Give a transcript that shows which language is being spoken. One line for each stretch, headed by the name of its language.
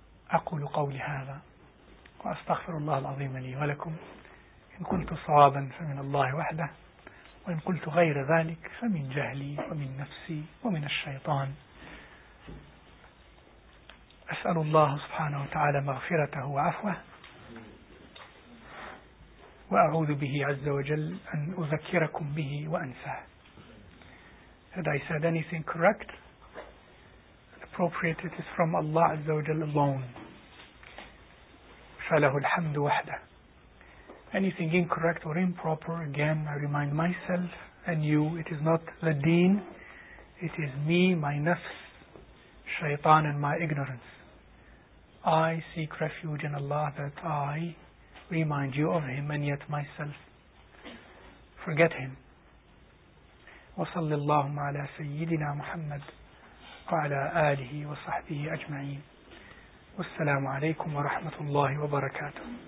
Arabic: أقول قولي هذا وأستغفر الله العظيم لي ولكم إن قلت صوابا فمن الله وحده وإن قلت غير ذلك فمن جهلي ومن نفسي ومن الشيطان أسأل الله سبحانه وتعالى مغفرته وعفوه وأعوذ به عز وجل أن أذكركم به وأنساه.
English: Had I said anything correct and appropriate, it is from Allah
Arabic: عز وجل
English: alone.
Arabic: فله الحمد وحده.
English: Anything incorrect or improper, again I remind myself and you, it is not the deen, it is me, my nafs, shaitan and my ignorance. I seek refuge in Allah that I remind you of him and yet myself forget him.
Arabic: وصلى الله على سيدنا محمد وعلى آله وصحبه أجمعين. والسلام عليكم ورحمة الله وبركاته.